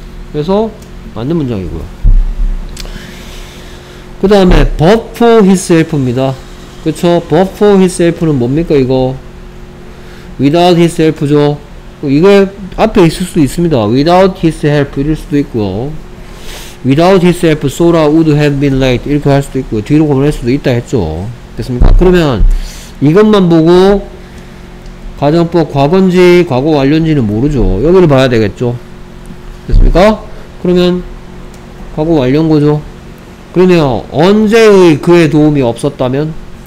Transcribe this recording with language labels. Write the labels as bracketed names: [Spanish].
[Korean] 그래서 맞는 문장이고요. 그 다음에 before himself입니다. 그쵸? before himself는 뭡니까 이거? [English] without his help [Korean] 죠. 이게 앞에 있을 수도 있습니다. [English] without his help [Korean] 일 수도 있고요. [English] without his help, Sora would have been late. [Korean] 이렇게 할 수도 있고요. 뒤로 고민할 수도 있다 했죠. 됐습니까? 그러면 이것만 보고 가정법 과거인지 과거 완료인지는 모르죠. 여기를 봐야 되겠죠. 됐습니까? 그러면 과거 완료인 거죠. 그러면 언제의 그의 도움이 없었다면?